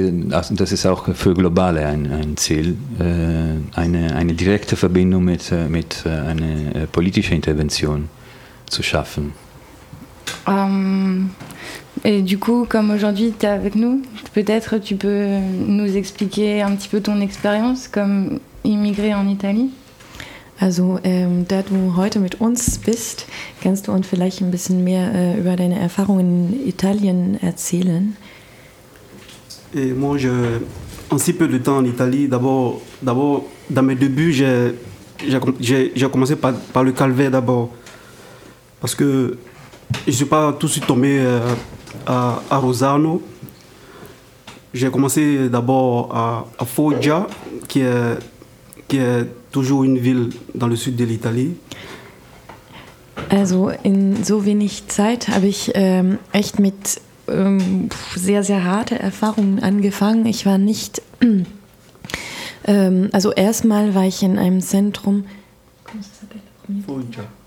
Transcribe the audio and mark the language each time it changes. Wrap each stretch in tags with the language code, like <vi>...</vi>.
<de>Das ist auch für globale ein Ziel, eine direkte Verbindung mit einer politischen Intervention zu schaffen.</de> <fr>Et du coup, comme aujourd'hui tu es avec nous, peut-être tu peux nous expliquer un petit peu ton expérience comme immigré en Italie.</fr> <de>Also, da du heute mit uns bist, kannst du uns vielleicht ein bisschen mehr über deine Erfahrungen in Italien erzählen.</de> <fr>Et moi, j'ai un si peu de temps en Italie. D'abord, dans mes débuts, j'ai commencé par le calvaire d'abord. Parce que je ne suis pas tout de suite tombé à Rosano. J'ai commencé d'abord à Foggia, qui est toujours une ville dans le sud de l'Italie.</fr> <de>Also in so wenig Zeit habe ich echt mit sehr, sehr harten Erfahrungen angefangen. Ich war nicht... also erstmal war ich in einem Zentrum... Foggia.</de>